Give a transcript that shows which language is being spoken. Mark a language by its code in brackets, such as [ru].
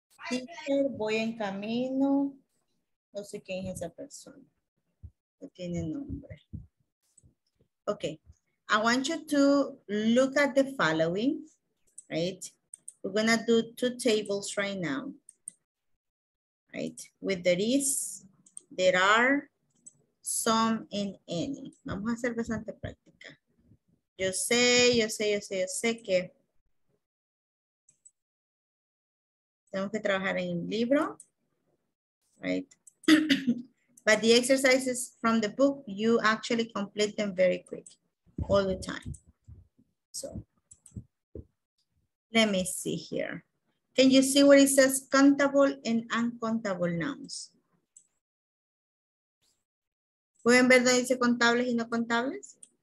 [es] Teacher, voy en camino, no sé quién es esa persona, no tiene nombre. [en] Okay. I want you to look at the following, right? We're gonna do two tables right now, right? With there is, there are, some, and any. [es] Vamos a hacer bastante práctica. Yo sé que tengo que trabajar en el libro, right? [en] But the exercises from the book, you actually complete them very quick. All the time. So let me see here. Can you see what it says countable and uncountable nouns? [es] ¿Pueden ver donde dice contables y no contables?